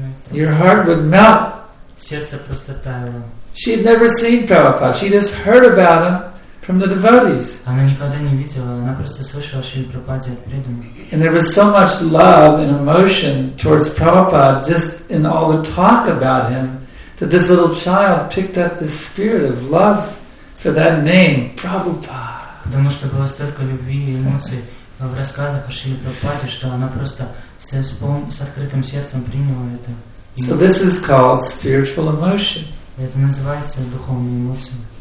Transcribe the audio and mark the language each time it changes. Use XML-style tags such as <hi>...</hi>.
<en>Your heart would melt. She had never seen Prabhupada. She just heard about him from the devotees.</en> <ru>Она никогда не видела, она просто слышала, что им пропадет преданный.</ru> <en>And there was so much love and emotion towards Prabhupada just in all the talk about him that this little child picked up the spirit of love for that name, Prabhupada.</en> <ru>Потому что было столько любви и эмоций в рассказах о Шриле Прабхупаде, что она просто с открытым сердцем приняла это.</ru> <en>So this is called spiritual emotion.</en> <ru>Это называется духовные эмоции.</ru>